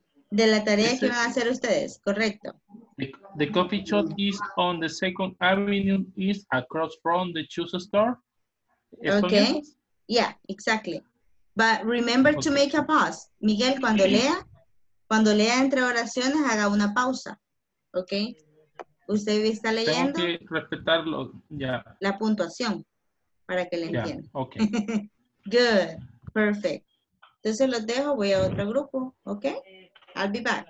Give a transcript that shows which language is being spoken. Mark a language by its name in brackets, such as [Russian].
[Spanish] De la tarea que van a hacer ustedes, correcto. [English] The coffee shop is on the 2nd Avenue East across from the Chusa store. Okay, yeah, exactly. But remember to make a pause. [Spanish] Miguel, cuando lea entre oraciones, haga una pausa. Okay. Usted está leyendo. Tengo que respetarlo, ya. La puntuación. Para que le entiendan. [English] Yeah, okay. Good. Perfect. [Spanish] Entonces los dejo, voy a otro grupo. Okay? [English] I'll be back.